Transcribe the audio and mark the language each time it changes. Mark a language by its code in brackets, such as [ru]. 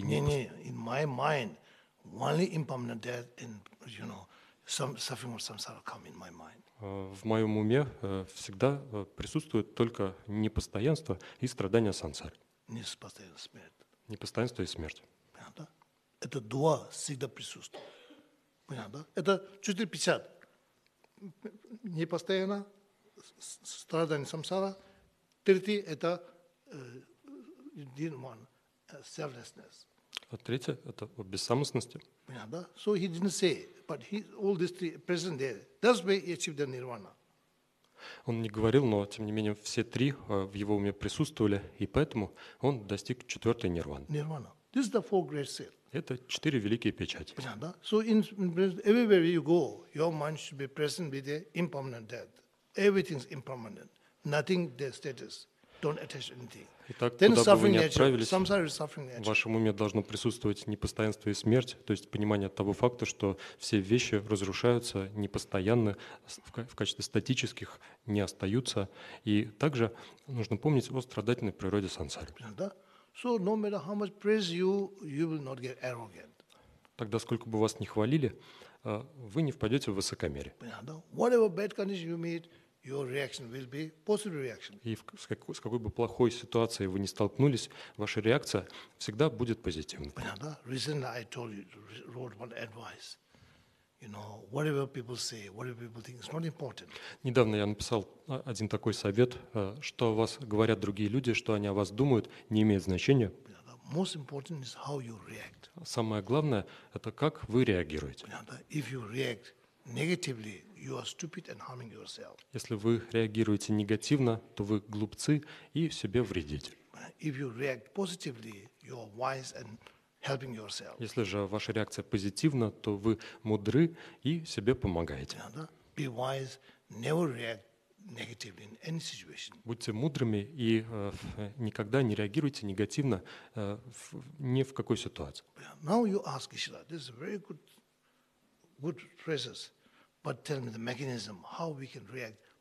[en] In my mind, only impermanent death and, you know, some suffering or samsara come in my mind. [ru] В моем уме всегда присутствует только непостоянство и страдания сансары. Непостоянство и смерть. Непостоянство и смерть. Понятно? Это дуа всегда присутствует. Понятно? Это 450. Непостоянно страдание самсара. Третье – это selflessness. А третье – это бессамостности. Понятно? [en] So he didn't say, but he, all these three present there. That's why he achieved the nirvana. [ru] Он не говорил, но, тем не менее, все три в его уме присутствовали, и поэтому он достиг четвертой нирваны. [en] Nirvana. This is the four great seals. [ru] Это четыре великие печати. Понятно? [en] So everywhere you go, your mind should be present with the impermanent death. Everything's impermanent. Nothing the status. Don't attach anything. [ru] Итак, then куда бы вы ни отправились, в вашем уме должно присутствовать непостоянство и смерть, то есть понимание того факта, что все вещи разрушаются непостоянно, в качестве статических не остаются. И также нужно помнить о страдательной природе сансары. [en] So no matter how much praise you, you will not get arrogant. [ru] Тогда сколько бы вас ни хвалили, вы не впадете в высокомерие. Понятно? [en] Whatever bad condition you meet, your reaction will be positive reaction. [ru] И с какой бы плохой ситуацией вы ни столкнулись, ваша реакция всегда будет позитивной. [en] Понятно? Recently I told you, wrote one advice. You know, whatever people say, whatever people think, it's not important. [ru] Недавно я написал один такой совет, что о вас говорят другие люди, что они о вас думают, не имеет значения. [en] Понятно? Most important is how you react. [ru] Самое главное – это как вы реагируете. Понятно? [en] If you react negatively, you are stupid and harming yourself. [ru] Если вы реагируете негативно, то вы глупцы и себе вредите. [en] If you react positively, you are wise and helping yourself. [ru] Если же ваша реакция позитивна, то вы мудры и себе помогаете. [en] Be wise, never react negatively in any situation. [ru] Будьте мудрыми и никогда не реагируйте негативно ни в какой ситуации. [en] Now you ask Ishida, this is very good phrases, but tell me the mechanism, how we can react.